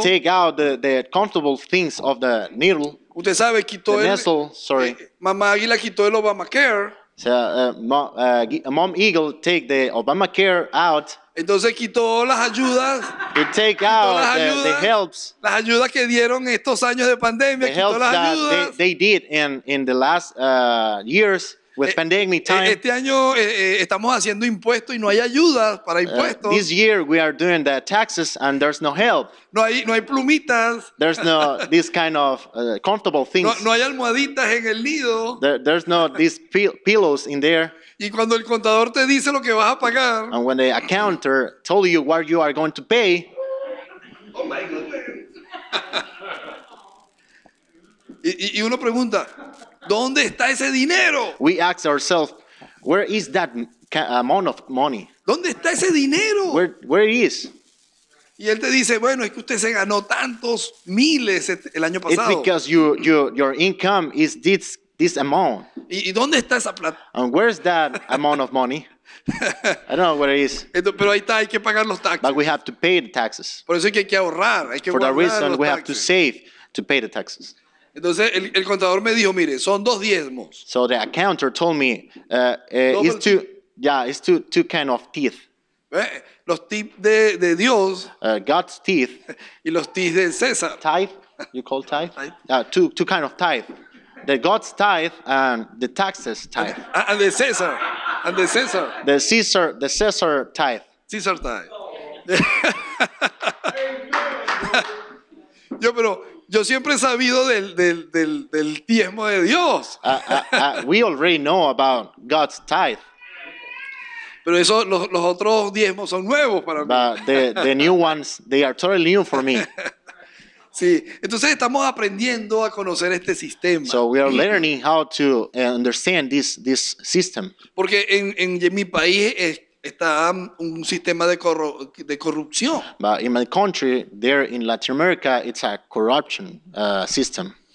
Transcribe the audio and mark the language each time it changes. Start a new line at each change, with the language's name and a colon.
English: To take out the comfortable things of the needle.
Spanish: Usted sabe, quitó
English: the
Spanish: el
English: nestle, sorry.
Spanish: Mamá águila quitó el Obamacare.
English: So mom eagle take the Obamacare out.
Spanish: Entonces quitó las ayudas.
English: He take out the helps.
Spanish: Las ayudas que dieron estos años de pandemia.
English: The
Spanish: quitó las ayudas.
English: They did in the last years with pandemic time.
Spanish: Este año estamos haciendo impuestos y no hay ayudas para impuestos.
English: This year we are doing the taxes and there's no help.
Spanish: No hay plumitas.
English: There's no this kind of comfortable things.
Spanish: No hay almohaditas en el nido.
English: There's no these pillows in there.
Spanish: Y cuando el contador te dice lo que vas a pagar.
English: And when the accountant told you what you are going to pay. Oh my goodness.
Spanish: y uno pregunta, ¿dónde está ese dinero?
English: We ask ourselves, where is that amount of money?
Spanish: ¿Dónde está ese dinero?
English: Where it is?
Spanish: Y él te dice, bueno, es que usted se ganó tantos miles el año pasado.
English: It's because your income is this amount.
Spanish: ¿Y dónde está esa plata?
English: And where's that amount of money? I don't know where it is.
Spanish: Entonces, pero ahí está, hay que pagar los taxes.
English: But we have to pay the taxes.
Spanish: Por eso es que hay que ahorrar, hay que
English: for
Spanish: guardar
English: that reason,
Spanish: los
English: we taxes. Have to save to pay the taxes.
Spanish: Entonces el contador me dijo, mire, son dos diezmos.
English: So the accountant told me, it's two, yeah, it's two kind of teeth.
Spanish: Los teeth de Dios.
English: God's teeth.
Spanish: Y los teeth de César.
English: Tithe, you call tithe? two kind of tithe. The God's tithe and the taxes tithe. And the César, and the César. The César tithe. César tithe.
Spanish: Yo, pero... Yo siempre he sabido del diezmo de Dios.
English: We already know about God's tithe.
Spanish: Pero eso, los otros diezmos son nuevos para
English: but
Spanish: mí.
English: The new ones, they are totally new for me.
Spanish: Sí, entonces estamos aprendiendo a conocer este sistema.
English: So we are learning how to understand this system.
Spanish: Porque en mi país está un sistema de corrupción.
English: But in my country, there in Latin America, it's a corruption system.